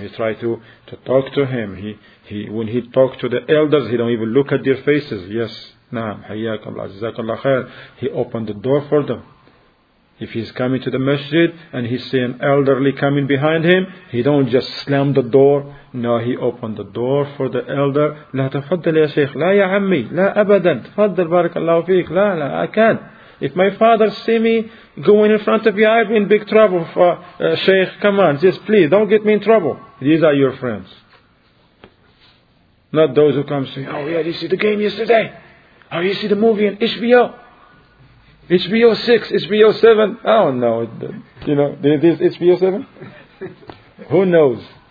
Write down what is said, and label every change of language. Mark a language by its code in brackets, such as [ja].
[en] He try to talk to him. He when he talk to the elders, he don't even look at their faces. Yes, naam, hayyakallah, jazakallah khair. He opened the door for them. If he's coming to the masjid and he see an elderly coming behind him, he don't just slam the door. No, he opened the door for the elder. [ar] لا تفضل يا شيخ لا يا عمي لا أبدا تفضل بارك الله فيك لا لا [en] I can't. If my father see me going in front of you, I'll be in big trouble. Sheikh, come on, just please, don't get me in trouble. These are your friends. Not those who come to me, oh yeah, did you see the game yesterday? Oh, you see the movie in HBO? HBO 6, HBO 7? Oh no, you know, this HBO 7? Who knows?